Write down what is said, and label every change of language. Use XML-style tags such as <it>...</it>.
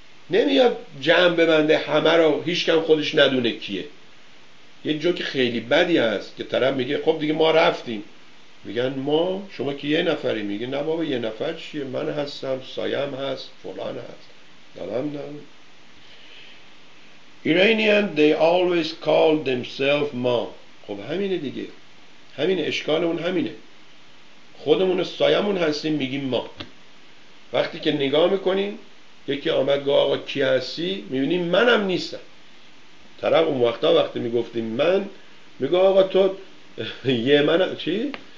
<fa>نمیاد جمع ببنده همه رو، هیچ کم خودش ندونه کیه. یه جوک خیلی بدی هست که طرف میگه خب دیگه ما رفتیم، میگن ما، شما که یه نفری، میگه نه بابا یه نفر چیه، من هستم، سایم هست، فلان هست، دارم دارم.</fa> <en>ایرانیان they always call themselves ما.</en> <fa>خب همینه دیگه، همینه اشکالمون، همینه، خودمون سایمون هستیم، میگیم ما. وقتی که نگاه میکنیم یکی آمد گفت آقا کی هستی، میبینیم منم نیستم. طرف اون وقتا وقتی میگفتیم من، میگه آقا تو یه من چی؟</fa>